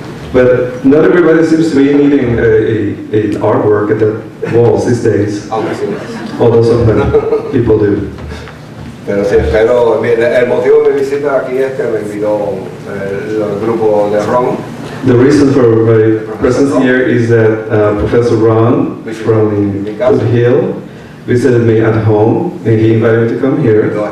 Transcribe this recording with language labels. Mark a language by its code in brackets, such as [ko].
[en] But not everybody seems to be needing an artwork at the walls these days. Although sometimes people do. [es] Pero sí, pero el motivo de mi visita aquí es que me invitó el grupo de Ron. [en] The reason for my presence here is that Professor Ron from Foothill visited me at home and he invited me to come here.